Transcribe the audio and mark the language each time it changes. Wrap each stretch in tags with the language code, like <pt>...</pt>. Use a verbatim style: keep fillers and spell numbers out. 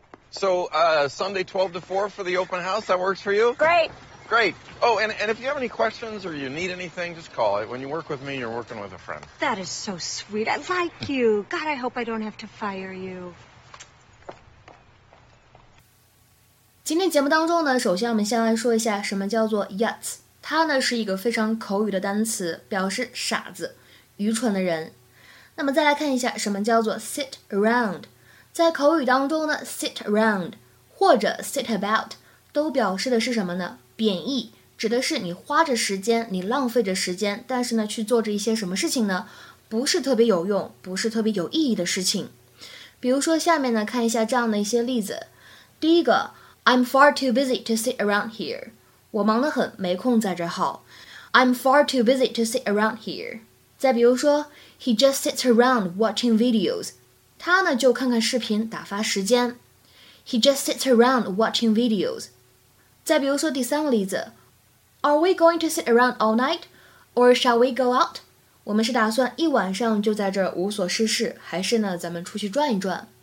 <en>So, uh, Sunday twelve to four for the open house, that works for you? Great. Great. Oh, and, and if you have any questions or you need anything, just call it. When you work with me, you're working with a friend. That is so sweet. I like you. God, I hope I don't have to fire you.</en> <zh>今天节目当中呢，首先我们先来说一下什么叫做 yet。它呢是一个非常口语的单词，表示傻子、愚蠢的人。那么再来看一下什么叫做 sit around。在口语当中呢 ，sit around 或者 sit about 都表示的是什么呢？贬义指的是你花着时间，你浪费着时间，但是呢去做着一些什么事情呢，不是特别有用，不是特别有意义的事情。比如说下面呢看一下这样的一些例子。第一个</zh> <en>I'm far too busy to sit around here.</en> <zh>我忙得很，没空在这耗。</zh> <en>I'm far too busy to sit around here.</en> <zh>再比如说</zh> <en>He just sits around watching videos.</en> <zh>他呢就看看视频打发时间。</zh> <en>He just sits around watching videos.</en> <zh>再比如说第三个例子</zh> <en>Are we going to sit around all night? Or shall we go out?</en> <zh>我们是打算一晚上就在这儿无所事事，还是呢咱们出去转一转？</zh>